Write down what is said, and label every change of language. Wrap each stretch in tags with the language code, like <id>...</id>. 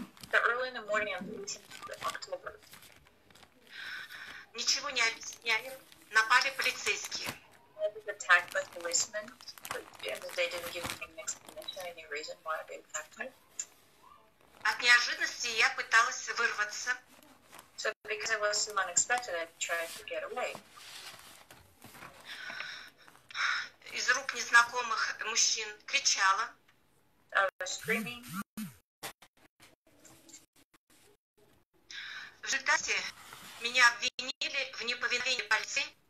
<en>So early in the morning of the 18th of October.</en> <ru>Ничего не объясняли, напали полицейские.</ru> <en>Attacked by policemen, but they didn't give me any explanation, any reason why they attacked me.</en> <ru>От неожиданности я пыталась вырваться.</ru> <en>So because it was unexpected, I tried to get away.</en> <ru>Из рук незнакомых мужчин кричала.</ru> <en>I was screaming.</en> <ru>В результате меня обвинили в неповиновении полиции.</ru>